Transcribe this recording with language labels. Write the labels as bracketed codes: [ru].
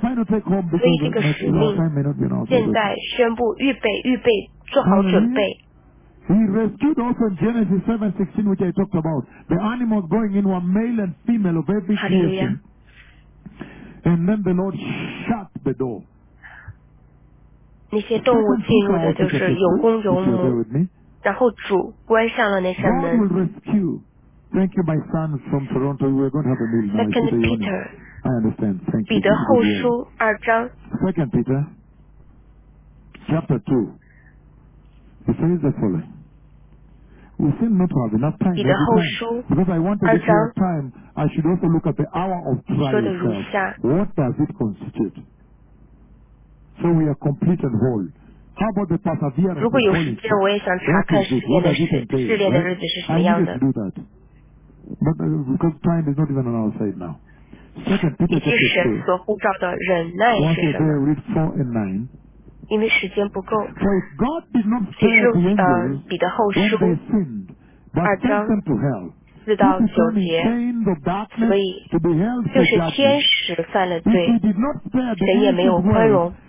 [en] final take home because your time may not be announced. He rescued also in Genesis 7:16, which I talked about. The animals going in were male and female of every creation. And then the Lord shut the door. [zh] 那些动物进入的就是有公有母，然后主关上了那扇门。 [en] Thank you, my son from Toronto. We're going to have a meeting. Second Peter. I understand. Thank you. [zh] 彼得后书二章。 [en] Second Peter, chapter two. It says the following. We seem not to have enough time. [zh] 彼得后书二章。 [en] Because I want to get more time, I should also look at the hour of trial. [zh] 说的如下。 [en] What does it constitute? So we are complete and whole. How about the perseverance? [zh] 如果有时间，我也想查看试炼的日子，试炼的日子是什么样的。 [en] I need to do that, but because time is not even on our side now. Second, Peter chapter two. [zh] 以及神所呼召的忍耐是什么？ [en] Once again, read 4 and 9. [zh] 因为时间不够。 [en] So if God did not spare the angels, when they sinned, but sent them to hell. [zh] 四到九节。所以就是天使犯了罪，神也没有宽容。